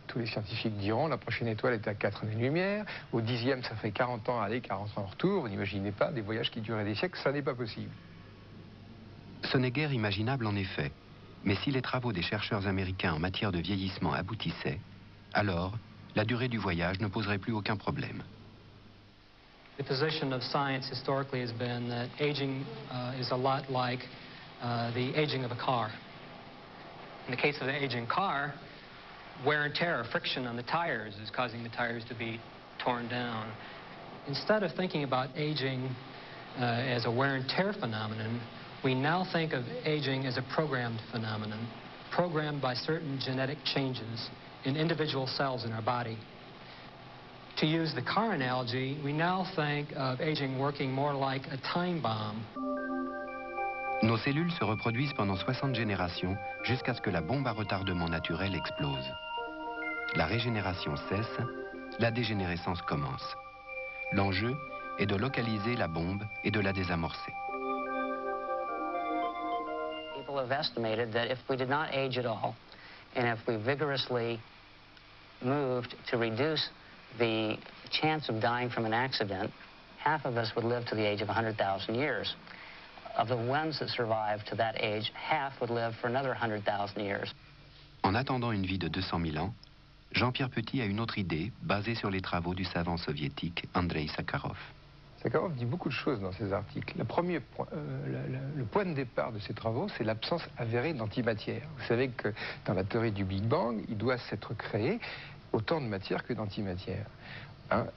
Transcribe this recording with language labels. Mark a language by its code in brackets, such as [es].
[fr] Tous les scientifiques diront, la prochaine étoile est à 4 années-lumière, au 10e ça fait 40 ans aller, 40 ans retour, vous n'imaginez pas des voyages qui duraient des siècles, ça n'est pas possible. Ce n'est guère imaginable en effet. Mais si les travaux des chercheurs américains en matière de vieillissement aboutissaient, alors la durée du voyage ne poserait plus aucun problème. [en] The position of science historically has been that aging is a lot like the aging of a car. In the case of an aging car, wear and tear, friction on the tires is causing the tires to be torn down. Instead of thinking about aging as a wear and tear phenomenon, we now think of aging as a programmed phenomenon, programmed by certain genetic changes in individual cells in our body. To use the car analogy, we now think of aging working more like a time bomb. [fr] Nos cellules se reproduisent pendant 60 générations jusqu'à ce que la bombe à retardement naturel explose. La régénération cesse, la dégénérescence commence. L'enjeu est de localiser la bombe et de la désamorcer. [en] people have estimated that if we did not age at all, and if we vigorously moved to reduce the chance of dying from an accident, half of us would live to the age of 100,000 years. Of the ones that survived to that age, half would live for another 100,000 years. [fr] En attendant une vie de 200 000 ans, Jean-Pierre Petit a une autre idée basée sur les travaux du savant soviétique Andrei Sakharov. Sakharov dit beaucoup de choses dans ses articles. Le point de départ de ses travaux, c'est l'absence avérée d'antimatière. Vous savez que dans la théorie du Big Bang, il doit s'être créé autant de matière que d'antimatière. Hein?